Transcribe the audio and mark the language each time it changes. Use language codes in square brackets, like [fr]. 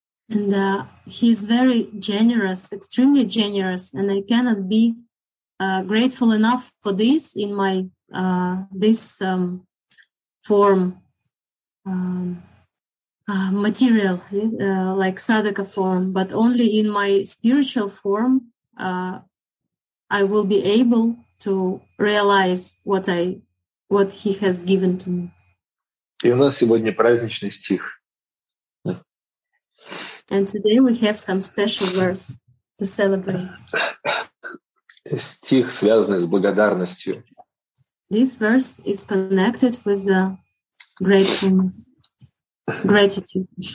[en] And he is very generous, extremely generous, and I cannot be grateful enough for this in my this form. Material, like sadhaka form, but only in my spiritual form I will be able to realize what I what he has given to me. [ru] И у нас сегодня праздничный стих. [en] And today we have some special verse to celebrate. [ru] Стих, связанный с благодарностью. [en] This verse is connected with the gratefulness, gratitude.